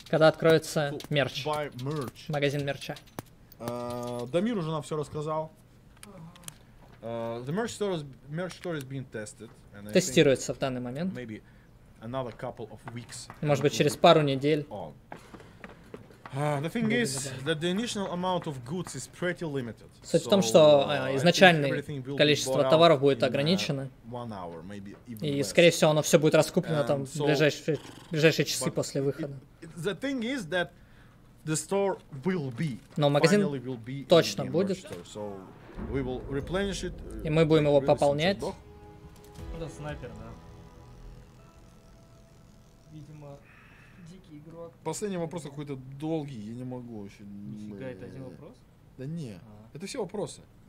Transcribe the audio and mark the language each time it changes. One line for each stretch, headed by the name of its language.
Russian: когда откроется мерч,
English: buy merch.
Russian: Магазин мерча. Дамир уже нам все рассказал.
English: The merch store is being tested.
Russian: Тестируется в данный момент.
English: Maybe another couple of weeks.
Russian: Может быть, через пару недель.
English: The thing is that the initial amount of goods is pretty limited.
Russian: Суть в том, что изначальное количество товаров будет ограничено. И скорее всего оно все будет раскуплено там в ближайшие часы после выхода.
English: The thing is that the store will be.
Russian: Но магазин точно будет.
English: So we will replenish it.
Russian: И мы будем его пополнять. Это снайпер, да. Видимо. Последний вопрос какой-то долгий, я не могу вообще. Нифига, это один вопрос? Да не, это все вопросы.